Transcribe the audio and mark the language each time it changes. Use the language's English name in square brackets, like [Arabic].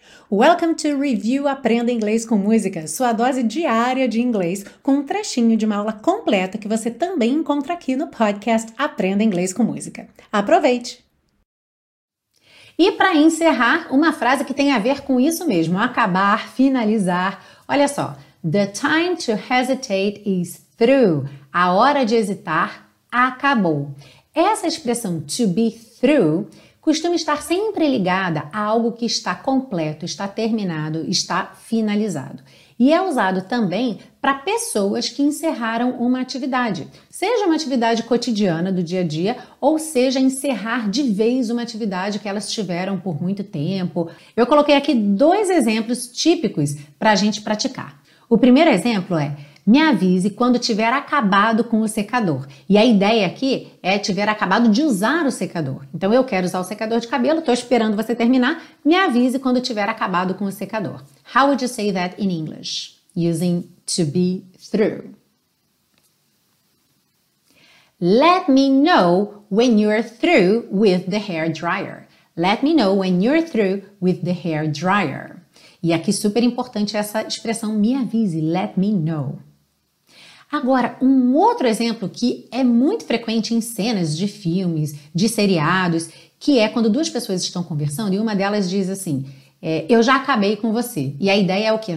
[Portuguese] Welcome to Review Aprenda Inglês com Música, sua dose diária de inglês, com um trechinho de uma aula completa que você também encontra aqui no podcast Aprenda Inglês com Música. Aproveite! E para encerrar, uma frase que tem a ver com isso mesmo, acabar, finalizar. Olha só, [English] the time to hesitate is through. [Portuguese] A hora de hesitar acabou. Essa expressão to be through costuma estar sempre ligada a algo que está completo, está terminado, está finalizado. E é usado também para pessoas que encerraram uma atividade, seja uma atividade cotidiana do dia a dia, ou seja, encerrar de vez uma atividade que elas tiveram por muito tempo. Eu coloquei aqui dois exemplos típicos para a gente praticar. O primeiro exemplo é: me avise quando tiver acabado com o secador. E a ideia aqui é tiver acabado de usar o secador. Então eu quero usar o secador de cabelo, estou esperando você terminar. Me avise quando tiver acabado com o secador. [English] How would you say that in English? Using to be through. Let me know when you're through with the hair dryer. Let me know when you're through with the hair dryer. [Portuguese] E aqui super importante essa expressão, me avise, [English] let me know. [Portuguese] Agora, um outro exemplo que é muito frequente em cenas de filmes, de seriados, que é quando duas pessoas estão conversando e uma delas diz assim, eu já acabei com você. E a ideia é o quê?